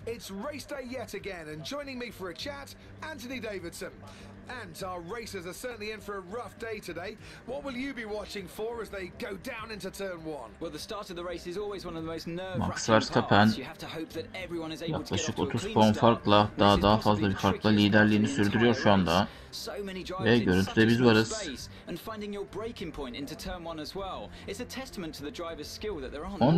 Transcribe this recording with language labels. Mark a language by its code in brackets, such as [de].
[en] It's race day yet again and joining me for a chat, Anthony Davidson. And our racers are certainly in for a rough day today. What will you be watching for as they go down into turn 1? Well, the start of the race is always one of the most nerve-wracking parts. You have to hope that everyone is able to get off to a clean start. [tr] Yaklaşık 30 puan farkla, daha fazla bir farkla liderliğini sürdürüyor şu anda. Ve görüntüde biz varız. [en] And finding your breaking point into turn 1 as well. It's a testament to the driver's skill that they're on.